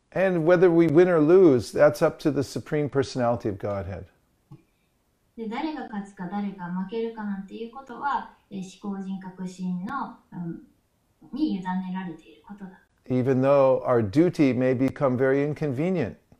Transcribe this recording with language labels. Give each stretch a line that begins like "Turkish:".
English: And whether we win or lose, that's up to the Supreme Personality of Godhead.
Japanese: で、誰が勝つか誰が負けるかなんていうことは、思考人格神の、に委ねられていることだ。
English: even though our duty may become very inconvenient.